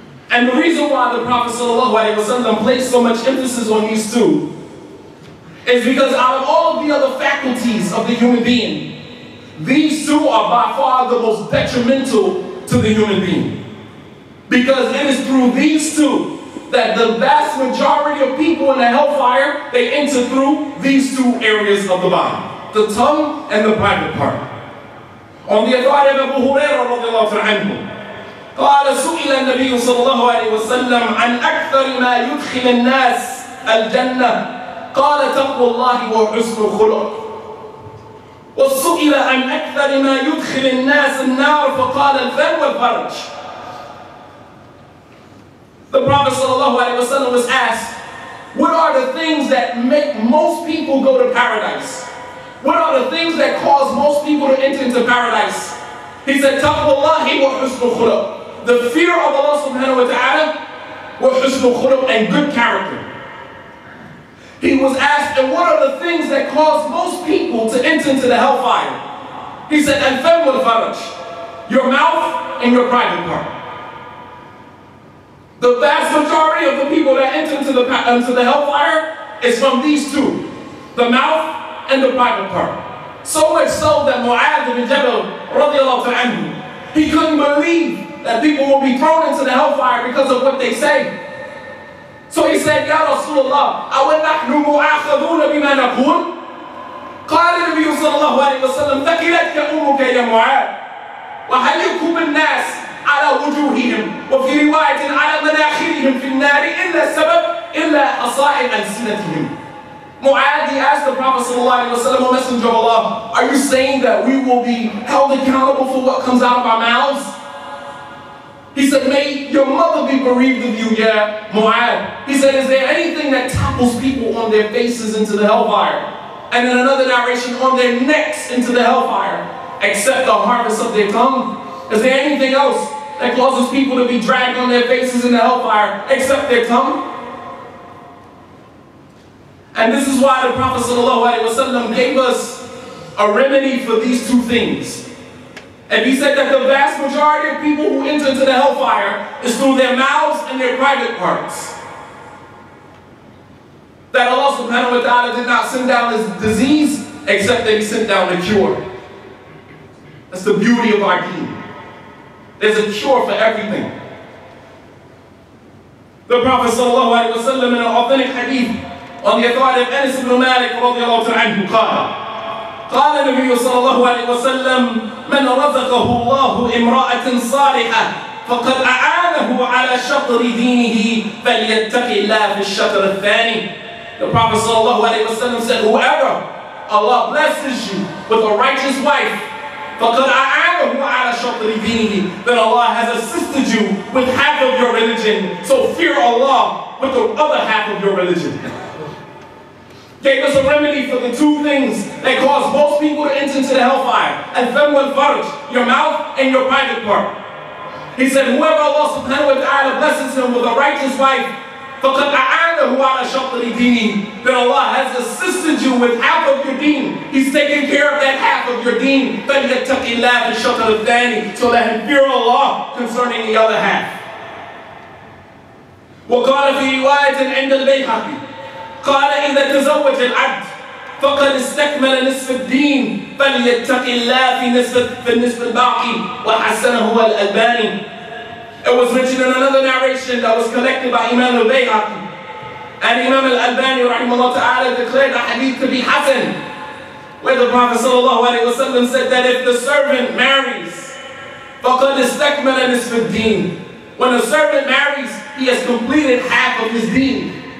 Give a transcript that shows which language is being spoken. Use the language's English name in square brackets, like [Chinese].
[English] And the reason why the Prophet sallallahu alaihi wasallam placed so much emphasis on these two is because out of all of the other faculties of the human being, these two are by far the most detrimental to the human being. Because it is through these two that the vast majority of people in the hellfire, they enter through these two areas of the body. The tongue and the private part. On the authority of Abu Huraira radiallahu ta'ala anhu, [Arabic] قَالَ سُئِلَ النَّبِيُّ صَلَى اللَّهُ عَلَيْهِ وَسَلَّمْ عَنْ أَكْثَرِ مَا يُدْخِلَ النَّاسِ الْجَنَّةِ قَالَ تَقْوَ اللَّهِ وَحُسْنُ الْخُلُقِ وَسُئِلَ عَنْ أَكْثَرِ مَا يُدْخِلَ النَّاسِ النَّارِ فَقَالَ الْفَرْوَ الْفَرْجِ. [English] The Prophet sallallahu alaihi wasallam was asked, what are the things that make most people go to paradise? What are the things that cause most people to enter into paradise? He said, [Arabic] taqwallahi wa husnul khuluq. [English] The fear of Allah subhanahu wa ta'ala wa husnul khuluq and good character. He was asked, and what are the things that cause most people to enter into the hellfire? He said, [Arabic] al-fam wal faraj. [English] Your mouth and your private part. The vast majority of the people that enter into the hellfire is from these two, the mouth and the private part. So much so that Mu'adh ibn Jabal radiallahu anhu, he couldn't believe that people will be thrown into the hellfire because of what they say. So he said, [Arabic] Ya Rasulullah, أَوَلْ نَحْنُ مُعَاخَذُونَ بِمَا نَقُولُ قَالَ النَّبِيُّ صلى الله عليه وسلم ثَكِلَتْ يَأُمُّكَ يَا مُعَاذ وَحَلِّكُمْ بِالنَّاسِ عَلَى وُجُوهِهِمْ وَفِي رِوَايَةٍ عَلَى مَنَاخِرِهِمْ فِي النَّارِ إِلَّا السَّبَبِ إِلَّا أَصَائِعَ أَلْسِنَتِهِمْ. [English] Mu'adh, he asked the Prophet sallallahu alayhi wa sallam, O Messenger of Allah, are you saying that we will be held accountable for what comes out of our mouths? He said, may your mother be bereaved of you, yeah, Mu'adh. He said, is there anything that topples people on their faces into the hellfire? And in another narration, on their necks into the hellfire, except the harvest of their tongue? Is there anything else that causes people to be dragged on their faces in the hellfire, except their tongue? And this is why the Prophet sallallahu alaihi wasallam gave us a remedy for these two things. And he said that the vast majority of people who enter into the hellfire is through their mouths and their private parts. That Allah subhanahu wa ta'ala did not send down this disease, except that he sent down a cure. That's the beauty of our deen. There's a cure for everything. The Prophet sallallahu alaihi wasallam in an authentic hadith on the authority of Anas ibn Malik radiallahu anhu, [Arabic] قال النبي صلى الله عليه وسلم من رزقه الله امرأة صالحة فقد أعانه على شطر دينه فليتق الله في الشطر الثاني. [English] The Prophet صلى الله عليه وسلم said, whoever Allah blesses you with a righteous wife, [Arabic] فقد أعانه على شطر دينه, [English] then Allah has assisted you with half of your religion. So fear Allah with the other half of your religion. Gave us a remedy for the two things that cause most people to enter into the hellfire. [Arabic] Al-fam wal-farj, [English] your mouth and your private part. He said, whoever Allah subhanahu wa ta'ala blesses him with a righteous wife, [Arabic] فَقَدْ أَعَانَهُ عَلَى شَطْرِ دِينِ, [English] then Allah has assisted you with half of your deen. He's taking care of that half of your deen. [Arabic] فَلْيَتَّقِ اللَّهِ فِي الشَّطْرِ الثَّانِي, [English] so let him fear Allah concerning the other half. [Arabic] وَقَالَ فِي رِوَايَةٍ عِنْدَ الْبَيْحَقِ قال إذا تزوج العبد فقد استكمل نصف الدين فليتق الله في نصف الباقي وحسنه الألباني. [English] It was mentioned in another narration that was collected by Imam al-Bayhaqi. And Imam al-Albani rahimahullah ta'ala declared the hadith to be hasan, where the Prophet sallallahu alayhi wa sallam said that if the servant marries, [Arabic] فقد استكمل نصف الدين, [English] when a servant marries, he has completed half of his deen.